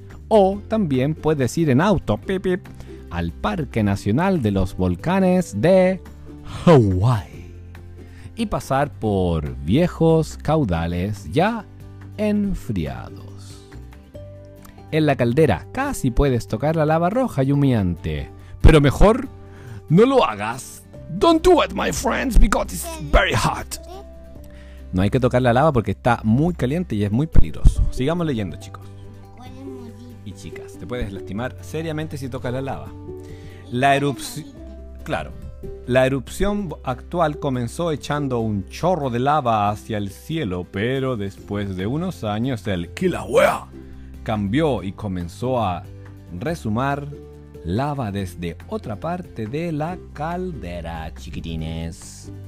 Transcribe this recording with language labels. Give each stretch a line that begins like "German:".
Spanish: O también puedes ir en auto, pip, pip, al Parque Nacional de los Volcanes de Hawái y pasar por viejos caudales ya enfriados. En la caldera casi puedes tocar la lava roja y humeante, pero mejor no lo hagas.
English: Don't do it, my friends, because it's very hot.
Spanish: No hay que tocar la lava porque está muy caliente y es muy peligroso. Sigamos leyendo, chicos. Y chicas, te puedes lastimar seriamente si tocas la lava. La erupción actual comenzó echando un chorro de lava hacia el cielo, pero después de unos años el Kilauea cambió y comenzó a resumar lava desde otra parte de la caldera, chiquitines.